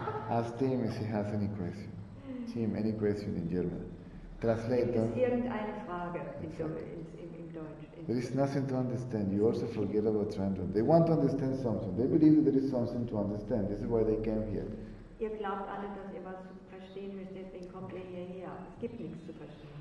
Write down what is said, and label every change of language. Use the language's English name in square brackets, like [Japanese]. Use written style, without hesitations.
[English] Ask Tim if he has any question. Tim, any question in German? Translate. [German] Gibt es irgendeine Frage in Deutsch? [English] There is nothing to understand. You also forget about trying to. They want to understand something. They believe that there is something to understand. This is why they came here. [German] Ihr glaubt alle, dass ihr was verstehen müsst, deswegen kommt ihr hierher. Es gibt nichts zu verstehen.